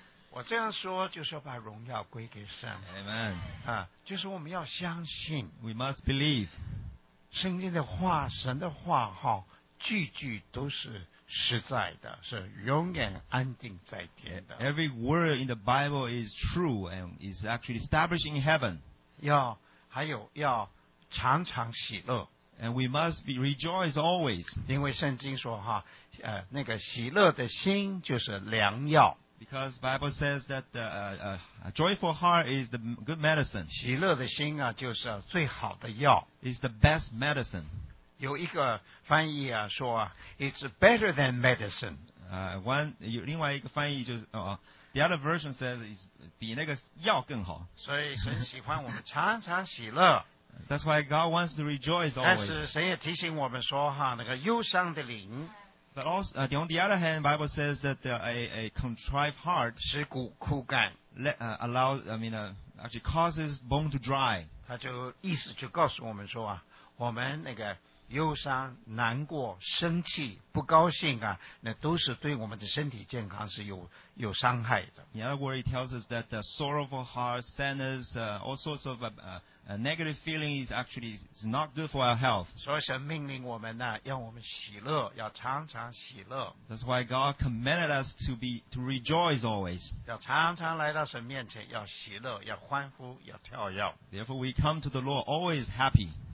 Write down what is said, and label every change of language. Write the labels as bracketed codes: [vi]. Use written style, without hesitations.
[zh] 我这样说就是要把荣耀归给神。 [en] Amen. [zh] 就是我们要相信。 [en] We must believe. [zh] 圣经的话，神的话，句句都是实在的，是永远安定在天的。 [en] Every word in the Bible is true and is actually established in heaven. [zh] 还有要常常喜乐。 [en] And we must be rejoice always. [zh] 因为圣经说那个喜乐的心就是良药。 [en] Because the Bible says that a joyful heart is the good medicine. [zh] 喜乐的心啊，就是最好的药。 [en] Is the best medicine. [zh] 有一个翻译啊说啊 ， [en] It's better than medicine. [zh] 另外一个翻译就是 [en] the other version says is [zh] 比那个药更好。所以神喜欢我们常常喜乐。 [en] That's why God wants to rejoice always. [zh] 但是神也提醒我们说那个忧伤的灵。 [en] But also, on the other hand, the Bible says that a contrived heart actually causes bone to dry. [zh] 他就意思就告诉我们说我们那个忧伤、难过、生气、不高兴那都是对我们的身体健康是有伤害的。 [en] In other words, it tells us that the sorrowful heart, sadness, all sorts of negative feelings actually is not good for our health. [zh] 所以神命令我们呢，要我们喜乐，要常常喜乐。 [en] That's why God commanded us to rejoice always. [zh] 要常常来到神面前，要喜乐，要欢呼，要跳跃。 [en] Therefore, we come to the Lord always happy.